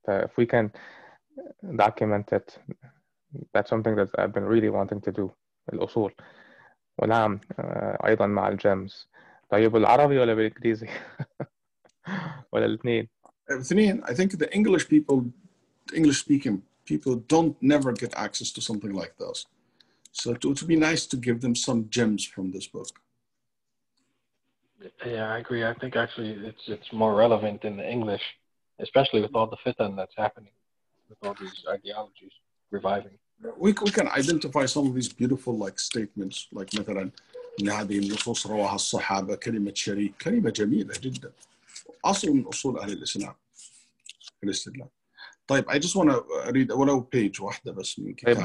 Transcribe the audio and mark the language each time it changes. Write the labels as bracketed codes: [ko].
[en] If we can document it, that's something that I've been really wanting to do. [ar] الأصول، ونعم أيضا مع الجيمز. طيب العربي ولا بالإنجليزي ولا الاثنين؟ الاثنين. [en] I think the English people, English speaking people, don't never get access to something like this. So it would be nice to give them some gems from this book. Yeah, I agree. I think actually it's more relevant in the English, especially with all the fitan that's happening, with all these ideologies reviving. We can identify some of these beautiful like statements, like [ar] مثلا إن هذه النصوص رواها الصحابة، كلمة شريك كلمة جميلة جدا، أصل من أصول أهل الإسلام في الاستدلال. طيب [en] I just want to read [ar] ولو [en] page [ar] واحدة بس من كتاب.